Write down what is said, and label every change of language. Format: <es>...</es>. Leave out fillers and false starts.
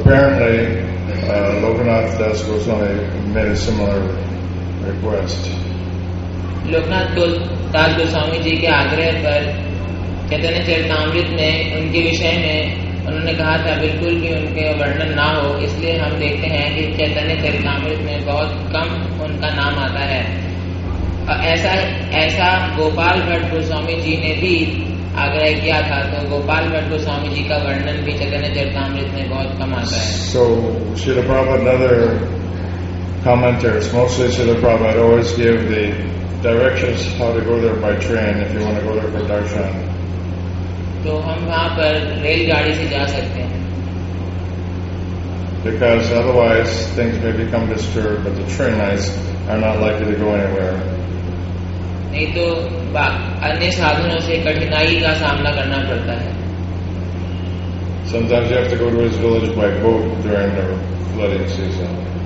<en>Apparently, Lokanath Das Goswami made a similar request.</en> <hi>Lokanath Das Goswami ji ke aagrah par चैतन्य चरितामृत में उनके विषय में उन्होंने कहा था बिल्कुल कि उनके वर्णन ना हो, इसलिए हम देखते हैं कि चैतन्य चरितामृत में बहुत कम उनका नाम आता है. ऐसा गोपाल भट्ट गोस्वामी जी ने भी आग्रह किया था, तो गोपाल भट्ट गोस्वामी जी का वर्णन भी चैतन्य चरितामृत में बहुत कम आता है.</hi> <en>So, Srila Prabhupada and other commentators, mostly Srila Prabhupada, always give the directions how to go there by train if you want to go there for darshan.</en> <hi>तो हम वहां पर रेलगाड़ी से जा सकते हैं.</hi> <en>Because otherwise things may become disturbed, but the train lines are not likely to go anywhere.</en> <hi>नहीं तो अन्य साधनों से कठिनाई का सामना करना पड़ता है.</hi> <en>Sometimes you have to go to his village by boat during the flooding season.</en>